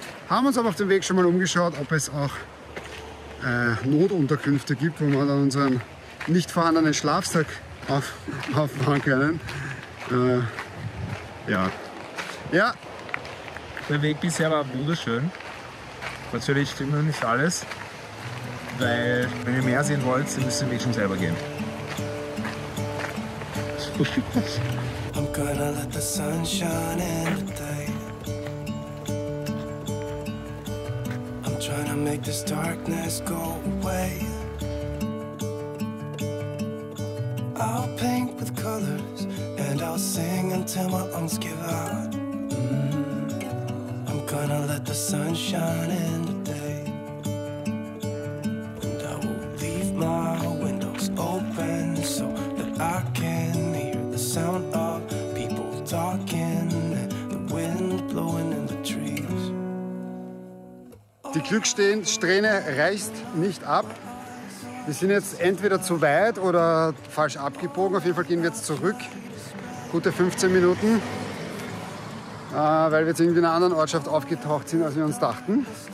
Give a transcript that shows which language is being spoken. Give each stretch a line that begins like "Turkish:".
German: Haben uns aber auf dem Weg schon mal umgeschaut, ob es auch Notunterkünfte gibt, wo man dann unseren nicht vorhandenen Schlafsack aufbauen können. Ja. Der Weg bisher war wunderschön. Natürlich stimmt noch nicht alles, weil wenn ihr mehr sehen wollt, dann müsst ihr den Weg schon selber gehen.
English: I'm gonna let the sunshine in. Trying to make this darkness go away. I'll paint with colors and I'll sing until my lungs give out. I'm gonna let the sun shine in the day. And I will leave my windows open so that I can hear the sound of people talking and the wind blowing in the trees.
German: Die Glückssträhne reißt nicht ab. Wir sind jetzt entweder zu weit oder falsch abgebogen. Auf jeden Fall gehen wir jetzt zurück. Gute 15 Minuten. Weil wir jetzt irgendwie in einer anderen Ortschaft aufgetaucht sind, als wir uns dachten.